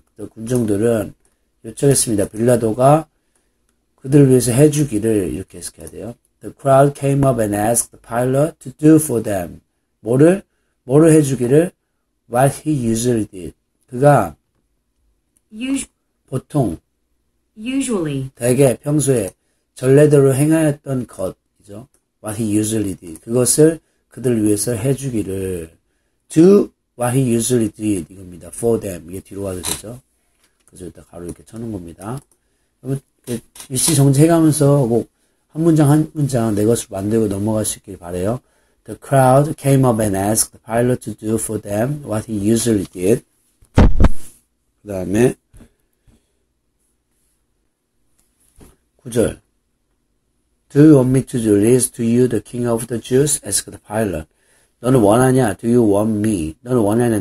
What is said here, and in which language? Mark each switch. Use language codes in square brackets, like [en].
[ko] 군중들은 요청했습니다. 빌라도가 그들을 위해서 해주기를 이렇게 해석해야 돼요. [en] The crowd came up and asked Pilate to do for them. [ko] 뭐를 해주기를? [en] What he usually did. [ko] 그가 보통 [en] usually [ko] 대개 평소에 전례대로 행하였던 것이죠. [en] What he usually did. [ko] 그것을 그들 위해서 해주기를. [en] Do what he usually did. [ko] 이겁니다. [en] For them. [ko] 이게 뒤로 가도 되죠. 그래서 일단 가로 이렇게 쳐놓은 겁니다. 일시정지 해가면서 꼭 한 문장 내 것을 만들고 넘어갈 수 있길 바라요. [en] The crowd came up and asked Pilate to do for them what he usually did. [ko] 그 다음에 9절. [en] Do you want me to release to you the king of the Jews? Asked Pilate. [ko] 너는 원하냐? [en] Do you want me? 너는 원하냐?